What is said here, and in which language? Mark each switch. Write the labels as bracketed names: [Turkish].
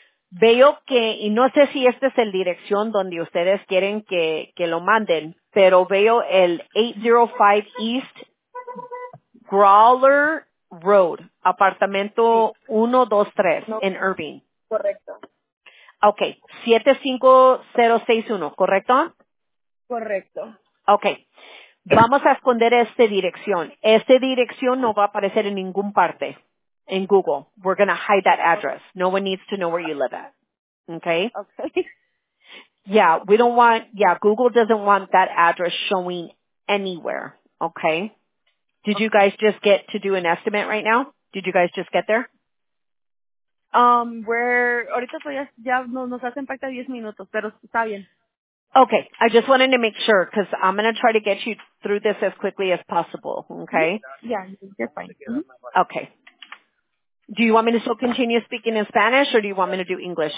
[Spanish] Veo que, y no sé si esta es la dirección donde ustedes quieren que lo manden, pero veo el 805 East Grawler Road, apartamento 123 en Irving. Correcto. Okay, 75061, ¿correcto? Correcto. Okay. Vamos a esconder esta dirección. Esta dirección no va a aparecer en ningún parte en Google. [English] We're going to hide that address. No one needs to know where you live at. Okay? Okay. Yeah, we don't want, yeah, Google doesn't want that address showing anywhere. Okay? Did you guys just get to do an estimate right now? Did you guys just get there? [Spanish] Ahorita estoy ya nos hacen falta 10 minutos, pero está bien. [English] Okay, I just wanted to make sure because I'm going to try to get you through this as quickly as possible, okay? Yeah, you're fine. Mm-hmm. Okay. Do you want me to still continue speaking in Spanish or do you want me to do English?